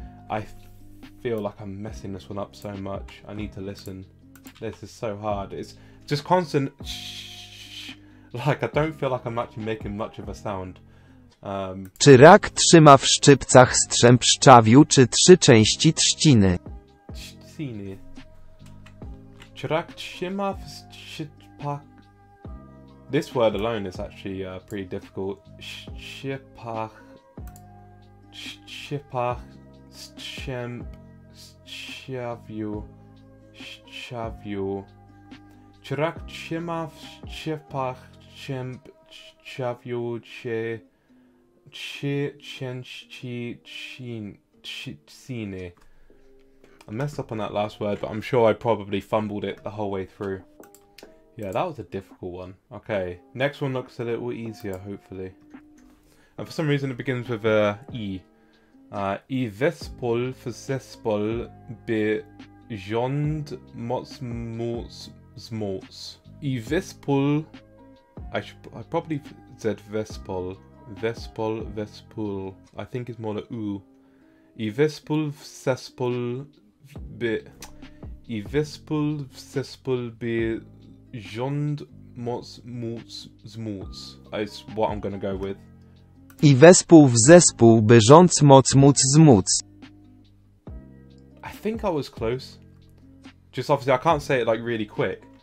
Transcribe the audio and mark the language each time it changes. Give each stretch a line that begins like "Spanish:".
English: I feel like I'm messing this one up so much. I need to listen. This is so hard. It's just constant shh. Like, I don't feel like I'm actually making much of a sound.
Polish: Czy rak trzyma w szczypcach strzęp szczawiu, czy trzy części trzciny? Trzciny. Czy rak trzyma w szczypach...
English: This word alone is actually pretty difficult.
Polish: Szczypach. Szczypach, strzęp, szczawiu, szczawiu. Czy rak trzyma w szczypach, strzęp, szczawiu, czy części, trzciny.
English: I messed up on that last word, but I'm sure I probably fumbled it the whole way through. Yeah, that was a difficult one. Okay, next one looks a little easier, hopefully. And for some reason it begins with a E.
Polish: I wespół w zespół by żądz moc moc zmóc.
English: I wespół, I probably said wespół, wespół, wespół, I think it's more the U.
Polish: I wespół w zespół by, I wespół w zespół by żądz moc moc zmóc.
English: It's what I'm gonna go with.
Polish: I wespół w zespół, by żądz moc móc zmóc.
English: I think I was close. Just obviously, I can't say it like really quick.